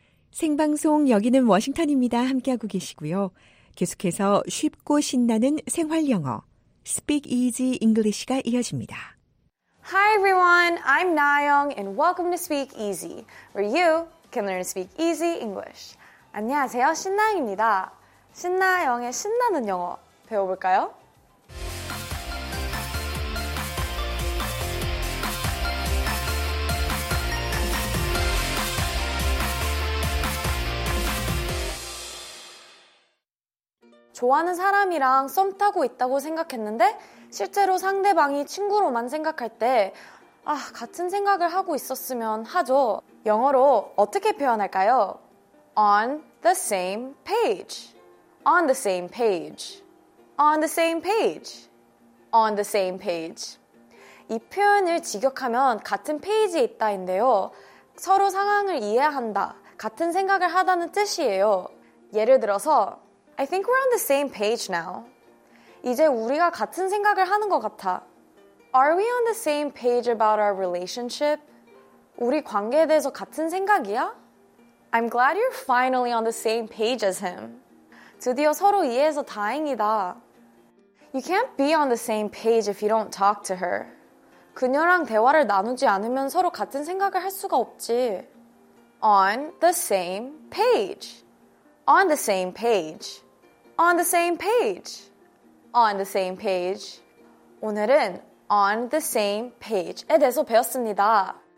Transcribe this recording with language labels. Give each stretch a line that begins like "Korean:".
Korean: 생방송 여기는 워싱턴입니다. 함께하고 계시고요. 계속해서 쉽고 신나는 생활영어. Speak Easy English가 이어집니다.
English: Hi everyone, I'm Nayoung and welcome to Speak Easy, where you can learn to speak easy English.
Korean: 안녕하세요, 신나영입니다. 신나영의 신나는 영어 배워볼까요? 좋아하는 사람이랑 썸 타고 있다고 생각했는데 실제로 상대방이 친구로만 생각할 때 아, 같은 생각을 하고 있었으면 하죠. 영어로 어떻게 표현할까요?
English: On the same page. On the same page. On the same page. On the same page.
Korean: 이 표현을 직역하면 같은 페이지에 있다인데요. 서로 상황을 이해한다, 같은 생각을 하다는 뜻이에요. 예를 들어서
English: I think we're on the same page now.
Korean: 이제 우리가 같은 생각을 하는 것 같아.
English: Are we on the same page about our relationship?
Korean: 우리 관계에 대해서 같은 생각이야?
English: I'm glad you're finally on the same page as him.
Korean: 드디어 서로 이해해서 다행이다.
English: You can't be on the same page if you don't talk to her.
Korean: 그녀랑 대화를 나누지 않으면 서로 같은 생각을 할 수가 없지.
English: On the same page. On the same page. On the same page. On the same page.
Korean: 오늘은 on the same page에 대해서 배웠습니다.